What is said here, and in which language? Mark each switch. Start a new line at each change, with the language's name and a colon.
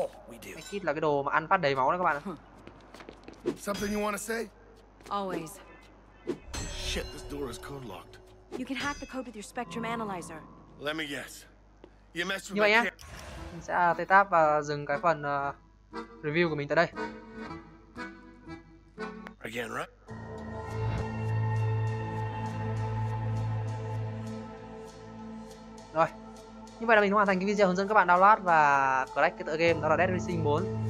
Vietnamese: Medkit là cái đồ mà ăn phát đầy máu đó các bạn ạ.
English: Something you want to say? Always. Shit, this door is code locked. You can hack the code with your spectrum analyzer. Let me guess. You messed with
Vietnamese: như vậy nhé. Mình sẽ tê táp và dừng cái phần review của mình tại đây.
English: Again, right?
Vietnamese: Rồi. Như vậy là mình đã hoàn thành cái video hướng dẫn các bạn download và collect cái tựa game đó là Dead Rising 4.